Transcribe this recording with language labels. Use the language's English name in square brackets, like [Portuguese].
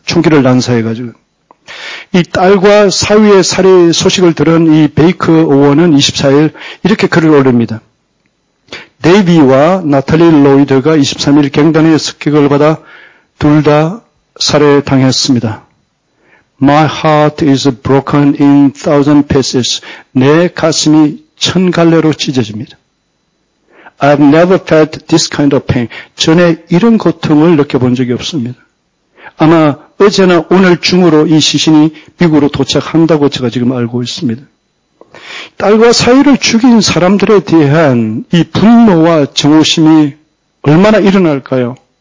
[Korean] 총기를 난사해가지고. 이 딸과 사위의 살해 소식을 들은 이 베이커 의원은 24일 이렇게 글을 올립니다. 데이비와 나탈리 로이드가 23일 갱단의 습격을 받아 둘 다 살해당했습니다. [English] My heart is broken in thousand pieces. [Korean] 내 가슴이 천 갈래로 찢어집니다. [English] I've never felt this kind of pain. [Korean] 전에 이런 고통을 느껴본 적이 없습니다. 아마 어제나 오늘 중으로 이 시신이 미국으로 도착한다고 제가 지금 알고 있습니다. 딸과 사위를 죽인 사람들에 대한 이 분노와 증오심이 얼마나 일어날까요?